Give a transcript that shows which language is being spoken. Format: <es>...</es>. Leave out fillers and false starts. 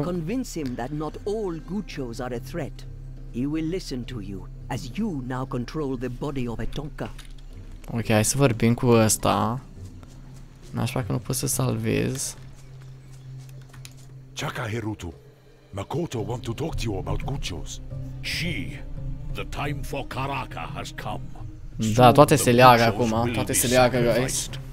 <en>Convince him that not all Guchos are a threat. He will listen to you, as you now control the body of a Tonka.</en> <ro>Ok, hai să vorbim cu ăsta. N-aș vrea că nu pot să salvez.</ro> <en>Chakahirutu, Makoto want to talk to you about Guchos. She, the time for Karaka has come.</en> <ro>Da, toate se leagă acum, toate se leagă, guys.</ro>